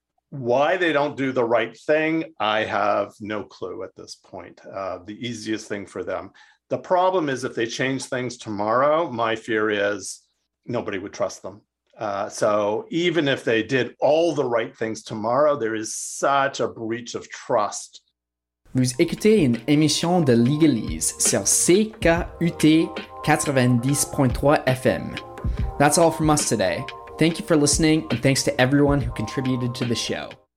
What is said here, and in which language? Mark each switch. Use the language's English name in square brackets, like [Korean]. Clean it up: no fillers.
[English] Why they don't do the right thing, I have no clue at this point. The easiest thing for them. The problem is, if they change things tomorrow, my fear is nobody would trust them. So even if they did all the right things tomorrow, there is such a breach of trust. [French] Vous écoutez une émission de Legalese sur CKUT 90.3 FM. [English] That's all from us today. Thank you for listening, and thanks to everyone who contributed to the show.